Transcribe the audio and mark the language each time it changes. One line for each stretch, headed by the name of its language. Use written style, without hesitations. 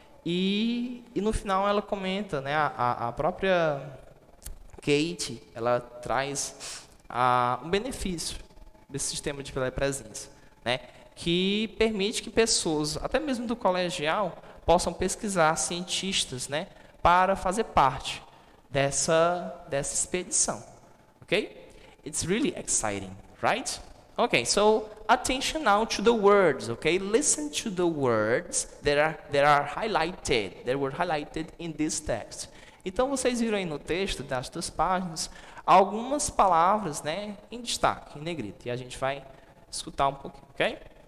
Portuguese: E no final ela comenta, né, a própria Kate, ela traz um benefício desse sistema de telepresença, né, que permite que pessoas, até mesmo do colegial, possam pesquisar cientistas, né, para fazer parte dessa expedição.
English: Ok? It's really exciting, right? Ok, so attention now to the words, okay? Listen to the words that are highlighted, that were highlighted in this text.
Portuguese: Então, vocês viram aí no texto, das duas páginas, algumas palavras, né, em destaque, em negrito, e a gente vai escutar um pouquinho, ok?